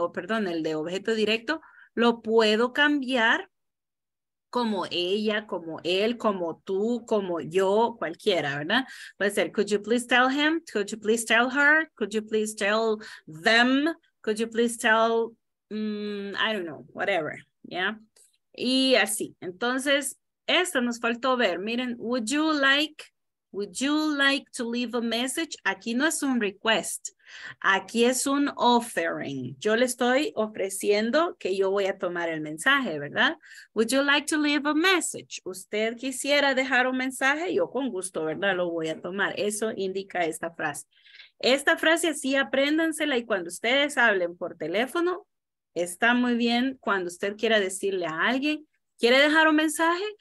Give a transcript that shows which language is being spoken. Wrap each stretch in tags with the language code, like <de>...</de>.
<es>O perdón, el de objeto directo, lo puedo cambiar como ella, como él, como tú, como yo, cualquiera, ¿verdad? Puede ser,</es> <en>could you please tell him, could you please tell her, could you please tell them, could you please tell, I don't know, whatever, yeah?</en> <es>Y así, entonces, esto nos faltó ver, miren,</es> <en>would you like to leave a message?</en> <es>Aquí no es un request, aquí es un offering. Yo le estoy ofreciendo que yo voy a tomar el mensaje, ¿verdad?</es> <en>Would you like to leave a message?</en> <es>¿Usted quisiera dejar un mensaje? Yo con gusto, ¿verdad? Lo voy a tomar. Eso indica esta frase. Esta frase sí, apréndansela y cuando ustedes hablen por teléfono, está muy bien cuando usted quiera decirle a alguien, ¿quiere dejar un mensaje?</es>